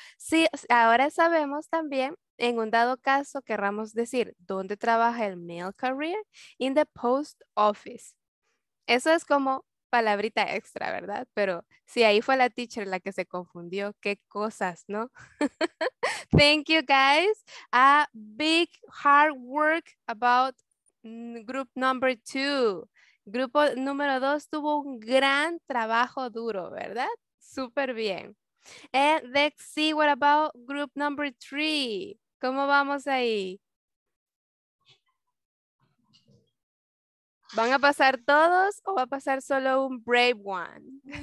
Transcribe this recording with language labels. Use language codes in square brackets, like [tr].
[es] Sí, ahora sabemos también. En un dado caso, querramos decir, ¿dónde trabaja el mail carrier? [en] In the post office. [es] Eso es como palabrita extra, ¿verdad? Pero sí, ahí fue la teacher la que se confundió. Qué cosas, ¿no? [en] Thank you, guys. A big hard work about group number two. [es] Grupo número dos tuvo un gran trabajo duro, ¿verdad? Súper bien. [en] And let's see, what about group number three? [es] ¿Cómo vamos ahí? ¿Van a pasar todos o va a pasar solo un [en] brave one?